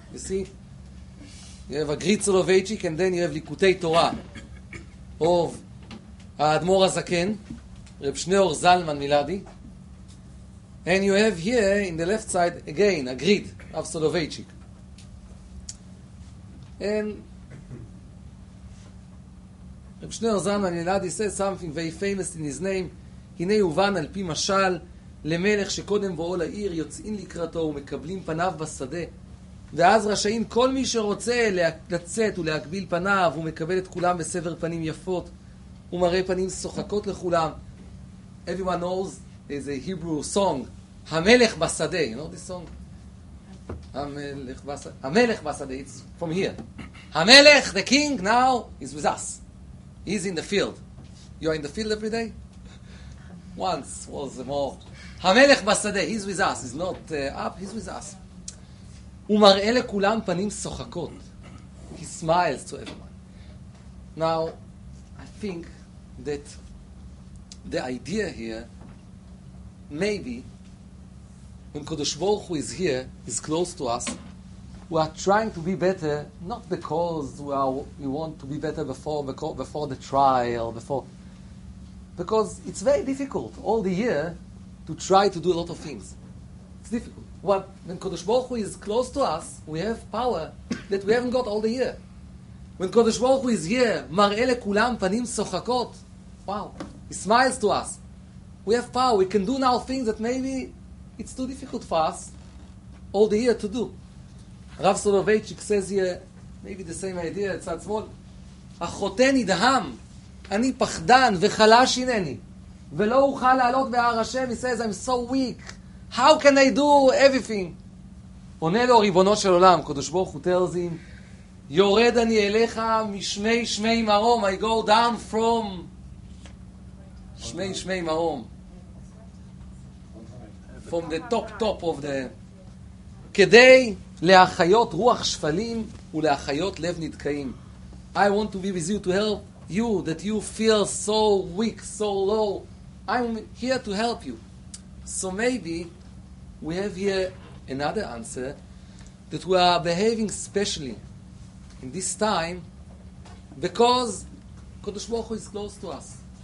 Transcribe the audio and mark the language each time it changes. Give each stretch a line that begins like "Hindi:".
English: You see? You have a Grit Soloveitchik, and then you have Likutei Torah of Admor HaZaken, Reb Shneor Zalman Miladi. And you have here, in the left side, again, a Grit of Soloveitchik. And Reb Shneor Zalman Miladi says something very famous in his name.
Hebrew: Hinei uvan al pi mashal, למלך שקודם בואו לעיר יוצאים לקראתו ומקבלים פניו בשדה. ואז רשאים כל מי שרוצה לצאת ולהקביל פניו, הוא מקבל את כולם בסבר פנים יפות, הוא מראה פנים שוחקות לכולם.
English: Everyone knows there's a Hebrew song, המלך בשדה. You know this song? המלך בשדה, it's from here. המלך, the king, now is with us. He's in the field. You are in the field every day? Once was more... המלך בשדה, he's with us, he's not up, he's with us.
Hebrew: הוא מראה לכולם פנים שוחקות.
English: He smiles to everyone. Now, I think that the idea here, maybe, when Kodosh Baruch Hu is here, is close to us, we are trying to be better, not because we want to be better before the trial, because it's very difficult all the year to try to do a lot of things. It's difficult. But when Kodesh Baruch Hu is close to us, we have power that we haven't got all the year. When Kodesh Baruch Hu is here,
Hebrew: מראה לכולם פנים שוחקות,
English: wow, he smiles to us. We have power. We can do now things that maybe it's too difficult for us all the year to do. Rav Soloveitchik says here, maybe the same idea, it's at small.
Hebrew: החוטא נדהם, אני פחדן וחלש הנני. ולא אוכל לעלות בהר השם,
English: he says, I'm so weak. How can I do everything?
Hebrew: עונה לו ריבונו של עולם, קדוש ברוך הוא
English: tells him,
Hebrew: יורד אני אליך משמי שמי מרום,
English: I go down from
Hebrew: שמי שמי מרום.
English: From the top top of the...
Hebrew: כדי להחיות רוח שפלים ולהחיות לב נדכאים.
English: I want to be with you to help you, that you feel so weak, so low. I'm here to help you. So maybe we have here another answer, that we are behaving specially in this time because Kodesh Baruch Hu is close to us.